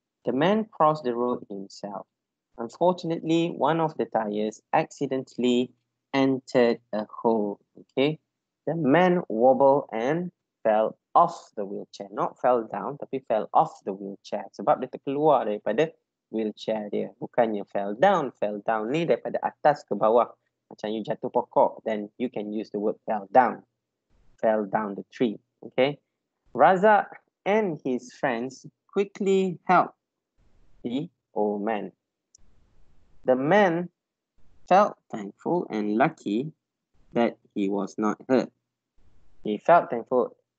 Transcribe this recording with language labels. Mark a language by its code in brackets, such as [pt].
[en] The man crossed the road himself. Unfortunately, one of the tires accidentally entered a hole. Okay. The man wobbled and fell off the wheelchair. Not fell down, tapi fell off the wheelchair. [ms] Sebab dia terkeluar daripada wheelchair dia. Bukannya fell down. Fell down ni daripada atas ke bawah. [en] Macam you [ms] jatuh pokok, [en] then you can use the word fell down. Fell down the tree. Okay. Raza and his friends quickly helped the old man. The man felt thankful and lucky that he was not hurt. He felt thankful.